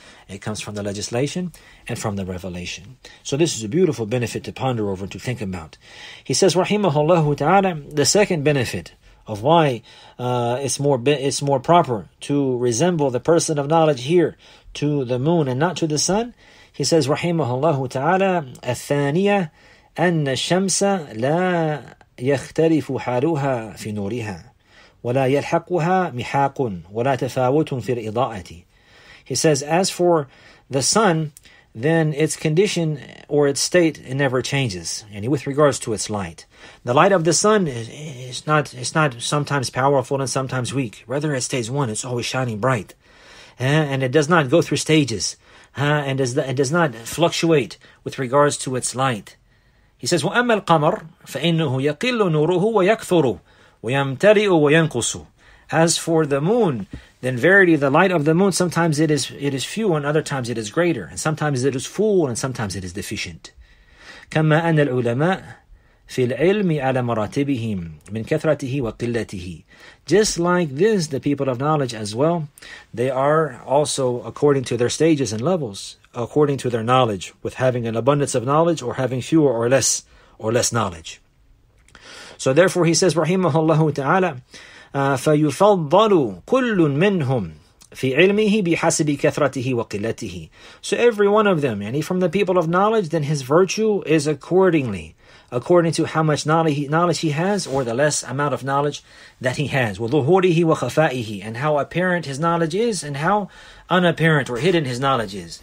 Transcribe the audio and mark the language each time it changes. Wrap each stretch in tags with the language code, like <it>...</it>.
<en>It comes from the legislation and from the revelation. So this is a beautiful benefit to ponder over and to think about. He says, rahimahullah ta'ala, the second benefit of why it's more proper to resemble the person of knowledge here to the moon and not to the sun. He says,</en> <ar>rahimahullah ta'ala, الثانيه أن الشمس لا يختلف حالها في نورها ولا يلحقها محاق ولا تفاوت في الإضاءة.</ar> <en>He says, as for the sun, then its condition or its state, it never changes, and with regards to its light. The light of the sun is not sometimes powerful and sometimes weak. Rather, it stays one, it's always shining bright. And it does not go through stages. and does not fluctuate with regards to its light. He says,</en> <ar>وَأَمَّا الْقَمَرْ فَإِنَّهُ يَقِلُّ نُورُهُ وَيَكْثُرُ وَيَمْتَلِئُ وَيَنْقُسُ.</ar> <en>As for the moon, then verily the light of the moon, sometimes it is few and other times it is greater, and sometimes it is full and sometimes it is deficient.</en> <ar>كَمَّا أَنَّ الْعُلَمَاءِ فِي الْعِلْمِ عَلَى مَرَاتِبِهِمْ مِنْ كَثْرَتِهِ وَقِلَّتِهِ.</ar> <en>Just like this, the people of knowledge as well, they are also according to their stages and levels, according to their knowledge, with having an abundance of knowledge or having fewer or less knowledge. So therefore he says,</en> <ar>رحمه الله تعالى, فَيُفَضَّلُ كُلٌّ مِّنْهُمْ فِي عِلْمِهِ بِحَسِبِ كَثْرَتِهِ وَقِلَّتِهِ.</ar> <en>So every one of them, and he from the people of knowledge, then his virtue is accordingly, according to how much knowledge he has, or the less amount of knowledge that he has.</en> <ar>وَظُهُورِهِ وَخَفَائِهِ.</ar> <en>And how apparent his knowledge is, and how unapparent or hidden his knowledge is.</en>